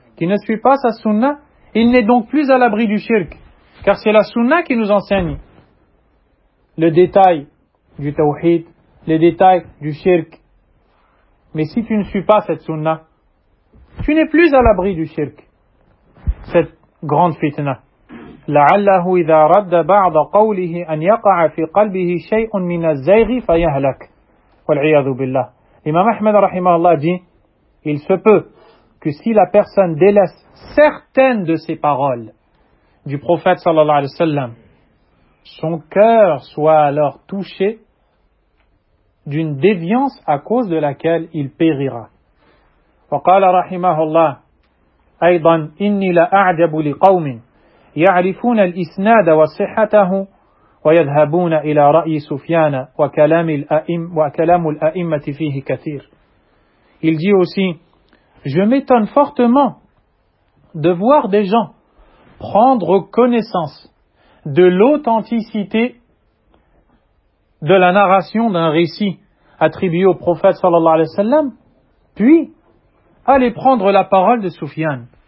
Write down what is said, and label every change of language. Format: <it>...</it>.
<fr>Qui ne suit pas sa sunna, il n'est donc plus à l'abri du shirk. Car c'est la sunna qui nous enseigne le détail du tawhid, les détails du shirk. Mais si tu ne suis pas cette sunna, tu n'es plus à l'abri du shirk. Cette grande fitna.</fr> <ar>لعله إذا رد بعض قوله أن يقع في قلبه شيء من الزيغ فيهلك والعياذ بالله.</ar> <fr>Imam Ahmed</fr> <ar>رحمه الله</ar> <fr>dit, il se peut que si la personne délaisse certaines de ces paroles du prophète sallallahu alayhi wa sallam, son cœur soit alors touché d'une déviance à cause de laquelle il périra.</fr> <ar>وقال رحمه الله أيضا إني لأعجب لقوم يعرفون الإسناد وصحته ويذهبون إلى رأي سفيان وكلام الأئمة فيه كثير.</ar> <fr>Il dit aussi, je m'étonne fortement de voir des gens prendre connaissance de l'authenticité de la narration d'un récit attribué au prophète sallallahu alayhi wa sallam, puis aller prendre la parole de Sufyan.</fr>